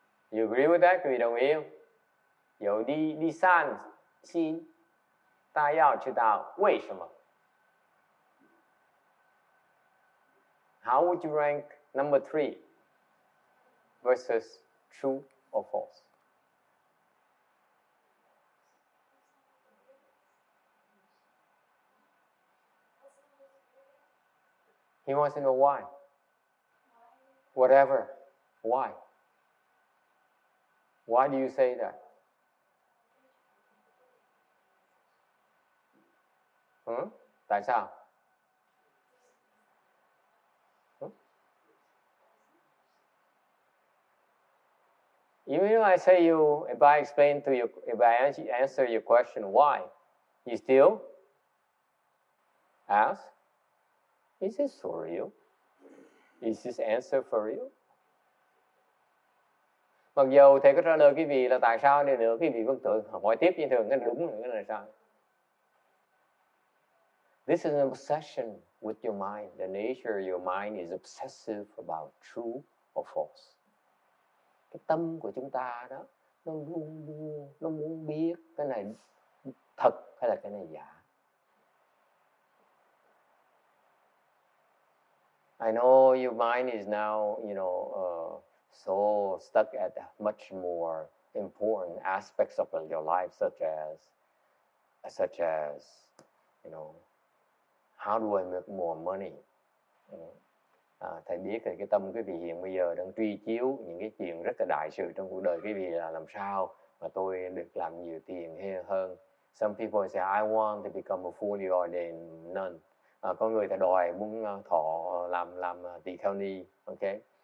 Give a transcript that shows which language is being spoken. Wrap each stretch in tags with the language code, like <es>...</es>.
<en>You agree with that?</en> <vi>Quý vị đồng ý không? Dẫu đi sang xin, ta yào chứ tao, vì sao?</vi> <en>How would you rank number 3 versus true or false? He wants to know why. Whatever. Why? Why do you say that?</en> <vi>Tại sao?</vi> <en>Even though I say you, if I explain to you, if I answer your question, why, you still ask, is this for real? Is this answer for real?</en> <vi>Mặc dù thầy có trả lời quý vị là tại sao đi nữa, quý vị vẫn tự hỏi tiếp như thường, cái đúng là cái này sao?</vi> <en>This is an obsession with your mind. The nature of your mind is obsessive about true or false.</en> <vi>Cái tâm của chúng ta đó, nó luôn luôn, nó muốn biết cái này thật hay là cái này giả.</vi> <en>I know your mind is now, you know, so stuck at much more important aspects of your life, such as, you know, how do I make more money?</en> <vi>Thầy biết cái tâm quý vị hiện bây giờ đang truy chiếu những cái chuyện rất là đại sự trong cuộc đời quý vị là làm sao mà tôi được làm nhiều tiền hơn.</vi> <en>Some people say I want to become a fully ordained nun.</en> <vi>Có người ta đòi muốn thọ làm tỳ kheo ni. Okay.</vi>